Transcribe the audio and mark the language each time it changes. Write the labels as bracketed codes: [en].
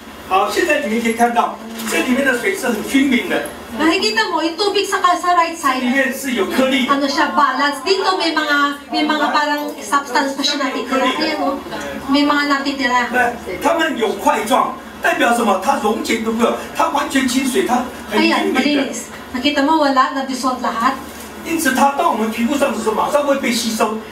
[zh] 好，现在你们可以看到，这里面的水是很均匀的。 [tl] Nakikita mo, yung tubig sa [en] right side, [tl] ano siya, balance. Dito may mga parang substance pa siya natitira. Ayan o, may mga natitira. [zh] 他们有块状，代表什么？它溶解都没有，它完全清水，它很均匀的。哎呀，linis. [tl] Nakita mo, wala, na-dissolve lahat. [zh] 因此它到我们皮肤上的时候，马上会被吸收。